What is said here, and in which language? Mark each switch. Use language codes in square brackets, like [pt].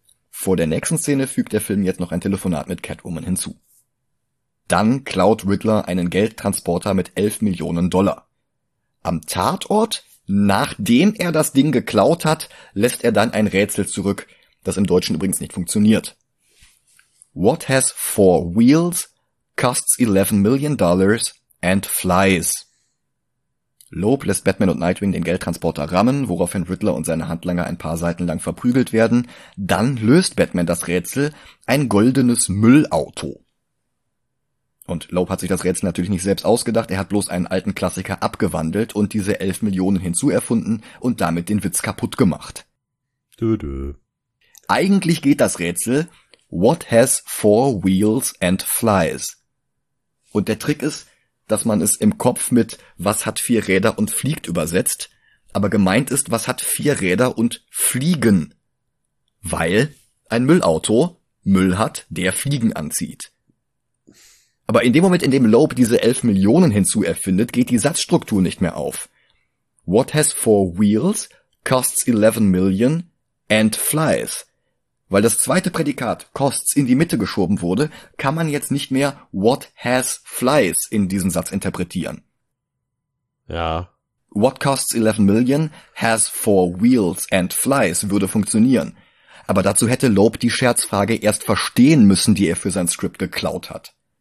[de] Vor der nächsten Szene fügt der Film jetzt noch ein Telefonat mit Catwoman hinzu. Dann klaut Riddler einen Geldtransporter mit 11 Millionen Dollar. Am Tatort, nachdem er das Ding geklaut hat, lässt er dann ein Rätsel zurück, das im Deutschen übrigens nicht funktioniert. [en] What has four wheels, costs 11 million dollars and flies? [de] Loeb lässt Batman und Nightwing den Geldtransporter rammen, woraufhin Riddler und seine Handlanger ein paar Seiten lang verprügelt werden. Dann löst Batman das Rätsel, ein goldenes Müllauto. Und Loeb hat sich das Rätsel natürlich nicht selbst ausgedacht, er hat bloß einen alten Klassiker abgewandelt und diese 11 Millionen hinzuerfunden und damit den Witz kaputt gemacht. Dö. Eigentlich geht das Rätsel, [en] what has four wheels and flies? [de] Und der Trick ist, dass man es im Kopf mit was hat vier Räder und fliegt übersetzt, aber gemeint ist, was hat vier Räder und fliegen? Weil ein Müllauto Müll hat, der Fliegen anzieht. Aber in dem Moment, in dem Loeb diese 11 Millionen hinzuerfindet, geht die Satzstruktur nicht mehr auf. [en] What has four wheels, costs 11 million and flies. [de] Weil das zweite Prädikat costs in die Mitte geschoben wurde, kann man jetzt nicht mehr [en] what has flies [de] in diesem Satz interpretieren. Ja. [en] What costs 11 million has four wheels and flies [de] würde funktionieren. Aber dazu hätte Loeb die Scherzfrage erst verstehen müssen, die er für sein Skript geklaut hat.